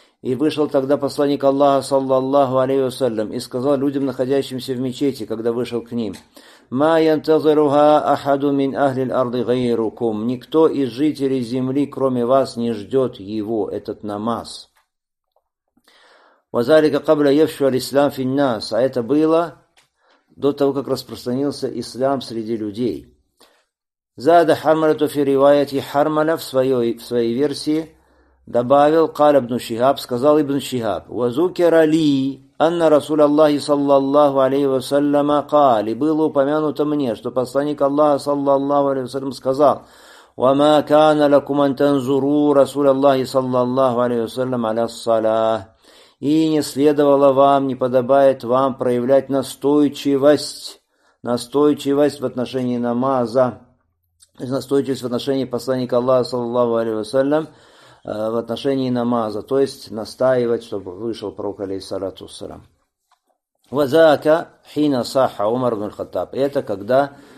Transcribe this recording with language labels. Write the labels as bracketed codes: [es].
[ru] И вышел тогда посланник Аллаха, саллаллаху алейхи вассалям, и сказал людям, находящимся в мечети, когда вышел к ним, [ar] «Ма янтазируха ахаду мин ахли аль-арди гайрукум». [ru] Никто из жителей земли, кроме вас, не ждет его, этот намаз. [ar] وَذَلِكَ قَبْلَ يَفْشُوَ الْإِسْلَامِ فِي النَّاسِ. [ru] А это было до того, как распространился ислам среди людей. [ar] زَادَ حَرْمَلَةُ فِي رِوَايَةِ حَرْمَلَةَ [ru] в своей версии добавил [ar] قَالَ ابْنُ شِهَابَ, [ru] сказал ибн Шихаб, [ar] وَذُكِرَ لِي أَنَّ رَسُولَ اللَّهِ صَلَّى اللَّهُ عَلَيْهِ وَسَلَّمَ قَالَ, [ru] было упомянуто мне, что посланник Аллаха [ar] صلى الله عليه وسلم [ru] сказал, [ar] وَمَا كَانَ لَكُمْ أَن تَنْزُرُوا رَسُولَ اللَّهِ صلى الله عليه وسلم على الصلاة. [ru] И не следовало вам, не подобает вам проявлять настойчивость в отношении намаза, настойчивость в отношении посланника Аллаха, саллаллаху алейхи вассалям, в отношении намаза, то есть настаивать, чтобы вышел пророк, алейхиссалату вассалям. [ar] Вазака хина саха [ru] Умар ибн аль-Хаттаб. Это когда